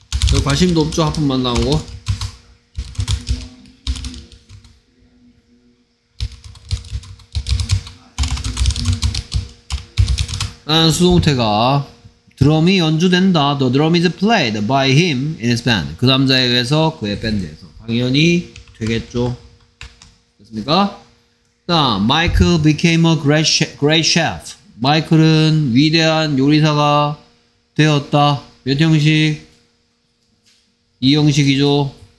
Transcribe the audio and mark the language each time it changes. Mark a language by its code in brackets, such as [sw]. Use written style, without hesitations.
[ko] 별 관심도 없죠? 한 번만 나온 거? 나는 수동태가 드럼이 연주된다. [en] The drum is played by him in his band. [ko] 그 남자에 의해서 그의 밴드에서. 당연히 되겠죠. 됐습니까? 다음, [en] Michael became a great chef. [ko] 마이클은 위대한 요리사가 되었다. 몇 형식? 2형식이죠.